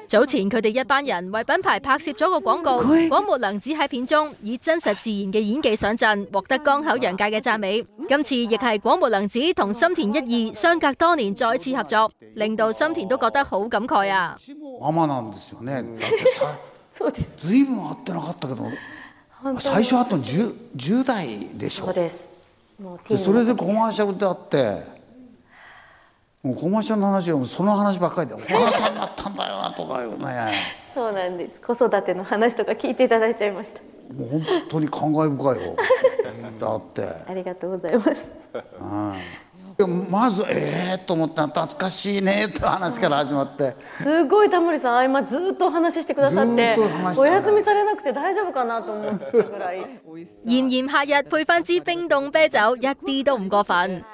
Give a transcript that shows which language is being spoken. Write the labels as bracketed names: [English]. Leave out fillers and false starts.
[Cantonese] 早前他們一班人為品牌拍攝了一個廣告，廣末涼子在片中以真實自然的演技上陣，獲得江口洋介的讚美。今次亦是廣末涼子和森田一二相隔多年再次合作，令到森田都覺得很感慨啊。 [Japanese] ママなんですよね。だってさ、そうです。随分会ってなかったけど、最初会ったの 10代でしょ。そうです。それでコマーシャルであって、もうコマーシャルの話よりもその話ばっかりで、お母さんになったんだよなとかよね。そうなんです。子育ての話とか聞いていただいちゃいました。もう本当に感慨深いよ。だって。ありがとうございます。うん、まずと思って、懐かしいねって話から始まって。すごいタモリさん、今ずっとお話してくださって、ずっと話して、お休みされなくて大丈夫かなと思ったぐらい。 [Cantonese] 炎炎夏日配翻支冰冻啤酒，一啲都唔过分。